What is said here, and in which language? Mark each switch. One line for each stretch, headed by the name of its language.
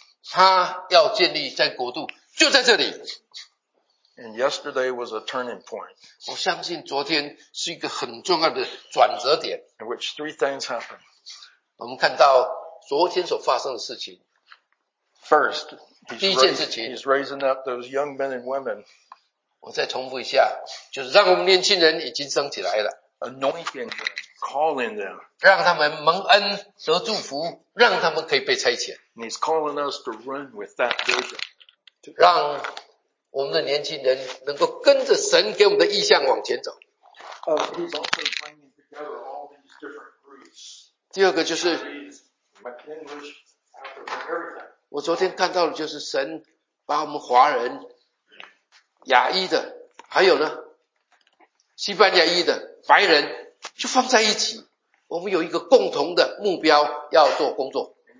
Chinese: 他要建立在国度，就在这里。
English: And yesterday was a turning point.
Chinese: 我相信昨天是一个很重要的转折点。
English: In which three things happened.
Chinese: 我们看到昨天所发生的事情。
English: First,
Chinese: 第一件事情。
English: He's raising up those young men and women.
Chinese: 我再重复一下，就是让我们年轻人已经升起来了。
English: Anointing them, calling them.
Chinese: 让他们蒙恩得祝福，让他们可以被差遣。
English: And he's calling us to run with that vision.
Chinese: 让我们的年轻人能够跟着神给我们的意向往前走。
English: He's also bringing together all these different groups.
Chinese: 第二个就是，我昨天看到的就是神把我们华人亚裔的，还有呢，西班牙裔的白人就放在一起，我们有一个共同的目标要做工作。